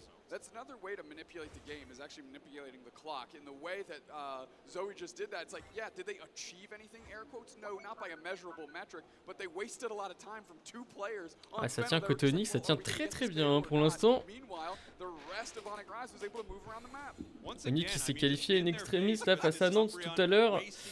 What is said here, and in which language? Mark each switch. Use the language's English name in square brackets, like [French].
[English] That's another way to manipulate the game, is actually manipulating the clock. In the way that Zoe just did that, it's like, yeah, did they achieve anything, air quotes? No, not by a measurable metric, but they wasted a lot of time from two players. [French] Ah, ça tient côté Onyx, ça tient très très bien, hein, pour l'instant. [English] Meanwhile, the rest of Onyx Rise was able to move around the map. [French] Onyx qui s'est qualifié in extremis là face à Nantes tout à l'heure.